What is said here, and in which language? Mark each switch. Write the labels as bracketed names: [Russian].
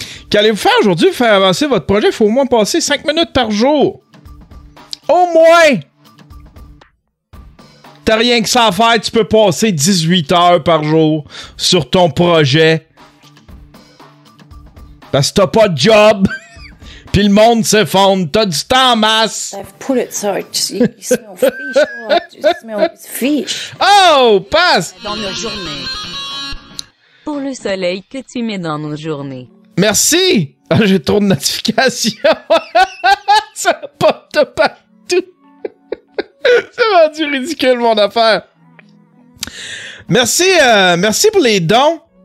[French] Qu'allez-vous faire aujourd'hui pour faire avancer votre projet? Il faut au moins passer 5 minutes par jour. Au moins! T'as rien que ça à faire, tu peux passer 18 heures par jour sur ton projet. Parce que t'as pas de job! Pis le monde s'effondre, t'as du temps en masse! [English] I've put it so it just, you smell fish. [French] Oh, passe! Dans nos journées. Pour le soleil que tu mets dans nos journées. Merci! Ah, j'ai trop de notifications! Ça pop partout! C'est rendu ridicule, mon affaire! Merci, merci pour les dons!